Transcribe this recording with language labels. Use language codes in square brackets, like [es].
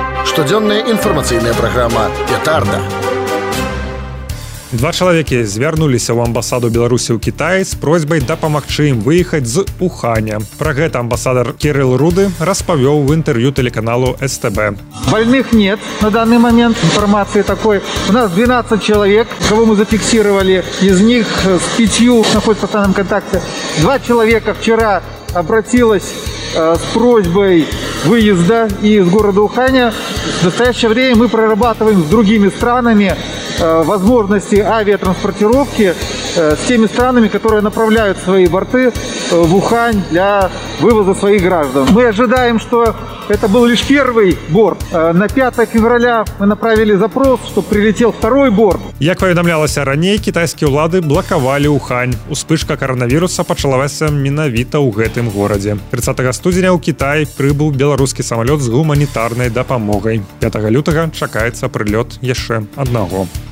[be] Штодзённая інфармацыйная праграма «Петарда». Два чалавекі звярнуліся ў амбасаду Беларусі ў Кітаі з просьбай дапамагчы ім выехаць з Уханя. Пра гэта амбасадар Кірыл Руды распавёў в інтэрв'ю тэлеканалу СТБ. [ru] Больных нет на данный момент. Информации такой. У нас 12 человек, кого мы зафиксировали. Из них с 5 находятся в постоянном контакте. Два человека вчера обратилась с просьбой выезда из города Уханя. В настоящее время мы прорабатываем с другими странами возможности авиатранспортировки с теми странами, которые направляют свои борты в Ухань для вывоза своих граждан. Мы ожидаем, что это был лишь первый борт. На 5 февраля мы направили запрос, чтобы прилетел второй борт. [be] Як паведамлялася раней, китайскія ўлады блакавалі Ухань. Успышка коронавируса пачалася менавіта ў гэтым горадзе. 30 студзеня ў Кітай прыбыў беларускі самалёт з гуманітарнай дапамогай. 5 лютага чакаецца прылёт яшчэ аднаго.